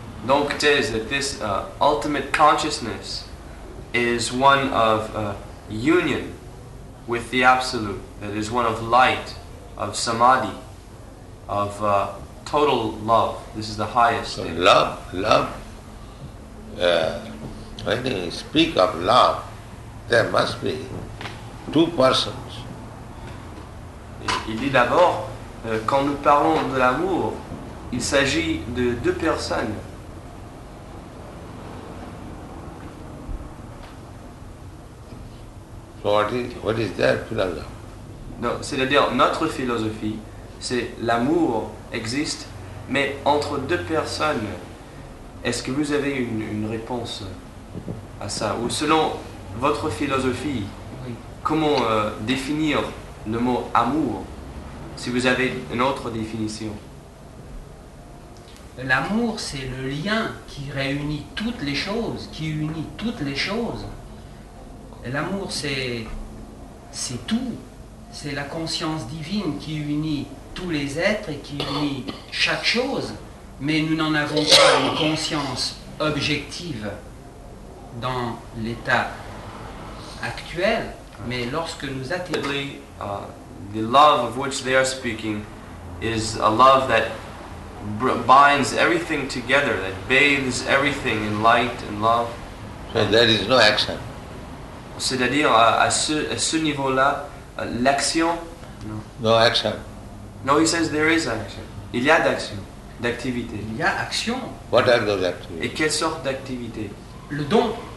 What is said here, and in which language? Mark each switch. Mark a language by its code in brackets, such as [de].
[en] Nokte is that this ultimate consciousness is one of union with the Absolute, that is one of light, of samadhi, of total love. This is the highest thing. So love, love. When you speak of love, there must be two persons. [fr] Il dit d'abord, quand nous parlons de l'amour, il s'agit de deux personnes. [en] So what is their philosophy? [fr] No, c'est-à-dire notre philosophie, c'est l'amour existe, mais entre deux personnes. Est-ce que vous avez une réponse à ça? Ou selon votre philosophie, comment définir le mot amour, si vous avez une autre définition? L'amour, c'est le lien qui réunit toutes les choses, qui unit toutes les choses. L'amour, c'est tout. C'est la conscience divine qui unit tous les êtres et qui unit chaque chose. Mais nous n'en avons pas une conscience objective dans l'état actuel. Mais lorsque nous atteignons... [en] The love of which they are speaking is a love that binds everything together, that bathes everything in light and love. So there is no action. [fr] C'est-à-dire, à ce niveau-là, l'action... [en] No action. No, he says there is action. [fr] Il y a d'action, d'activité. Il y a action. [en] What are those activities? [fr] Et quelle sorte d'activité? Le don.